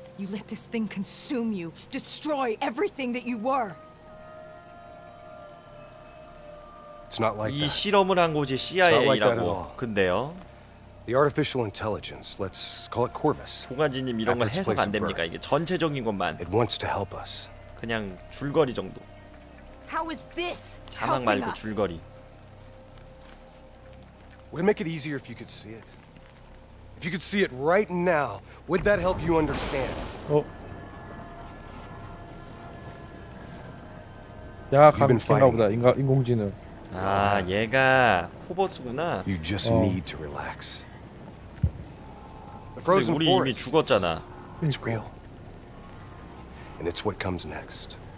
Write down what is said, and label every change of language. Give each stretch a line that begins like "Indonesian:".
English: You let this thing consume you, destroy everything that you were. It's not like that.
Korean: 이 실험을 한 곳이 CIA라고. 근데요.
English: The artificial intelligence, let's call it Corvus.
Korean: 동아지님 이런 건 해석 안 됩니까? 이게 전체적인 것만.
English: It wants to help us.
Korean: 그냥 줄거리 정도.
English: How is this?
Korean: 자막 말고 줄거리.
English: Would it make it easier if you could see it? If you could see it right now, would that help you understand?
Korean: 어? 야, 감기인가 보다, 인공지능. 아, 얘가 코버스구나.
English: You just need to relax.
Korean: 근데 우리 이미 죽었잖아.
English: It's real. And it's what comes next.